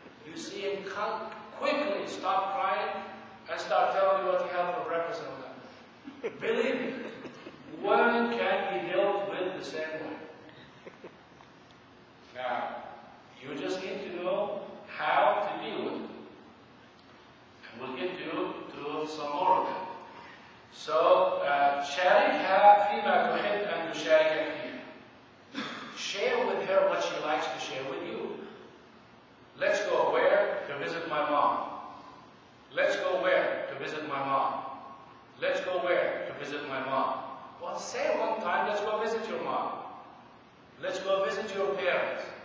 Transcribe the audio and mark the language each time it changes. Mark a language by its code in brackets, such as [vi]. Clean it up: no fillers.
[en] You see him come quickly, stop crying, and start telling you what you have for breakfast on that. Believe me, women can be dealt with the same way. Now, you just need to know how to deal with it. And we'll get to some more of that. [ar] So, شاركها فيما تحب أن تشارك فيها. [en] Share with her what she likes to share with you. Let's go where? To visit my mom. Let's go where? To visit my mom. Let's go where? To visit my mom. Well, say one time, let's go visit your mom. Let's go visit your parents.